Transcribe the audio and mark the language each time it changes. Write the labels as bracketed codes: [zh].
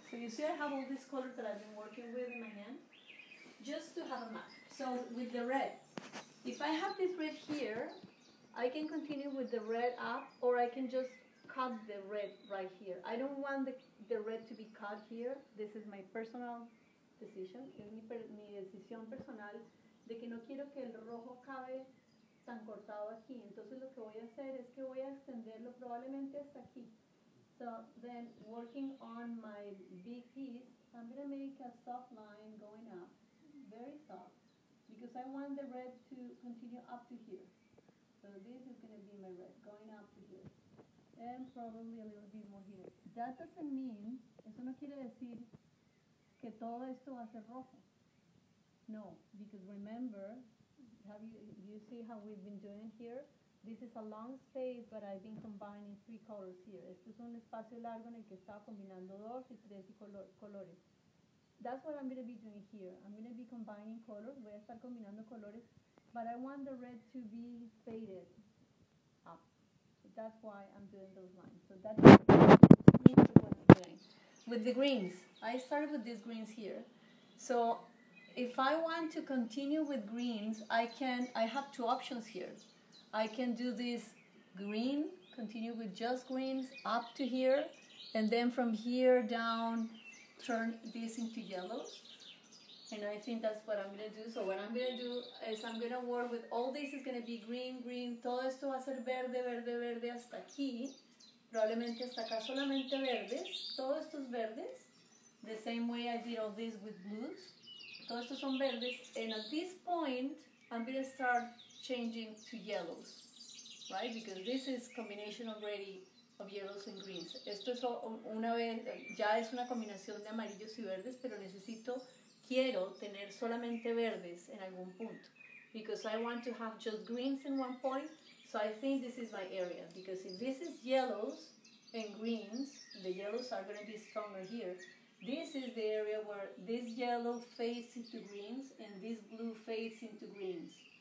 [en] So you see I have all these colors that I've been working with in my hand, just to have a map. So with the red, if I have this red here, I can continue with the red up, or I can just cut the red right here. I don't want the red to be cut here. This is my personal decision. [es] Mi decisión personal. De que no quiero que el rojo cabe tan cortado aquí. Entonces lo que voy a hacer es que voy a extenderlo probablemente hasta aquí. [en] So then working on my big piece, I'm going to make a soft line going up, very soft, because I want the red to continue up to here. So this is going to be my red going up to here. And probably a little bit more here. That doesn't mean, [es] eso no quiere decir que todo esto va a ser rojo. [en] No, because remember, you see how we've been doing here? This is a long space, but I've been combining three colors here. [es] Esto es un espacio largo en el que estaba combinando dos y tres colores. [en] That's what I'm going to be doing here. I'm going to be combining colors. [es] Voy a estar combinando colores, [en] but I want the red to be faded up. So that's why I'm doing those lines. So that's what I'm doing. With the greens, I started with these greens here. So if I want to continue with greens, I have two options here. I can do this green, continue with just greens up to here, and then from here down, turn this into yellows. And I think that's what I'm gonna do. So what I'm gonna do is I'm gonna work with all this is gonna be green, green. [es] Todo esto va a ser verde, verde, verde hasta aquí. Probablemente hasta acá solamente verdes. Todo esto es verdes. [en] The same way I did all this with blues. [es] Todo esto son verdes, [en] and at this point, I'm going to start changing to yellows, right? Because this is combination already of yellows and greens. [es] Esto es una vez, ya es una combinación de amarillos y verdes, pero necesito, quiero tener solamente verdes en algún punto. [en] Because I want to have just greens in one point, so I think this is my area. Because if this is yellows and greens, the yellows are going to be stronger here. This is the area where this yellow fades into greens and this blue fades into greens.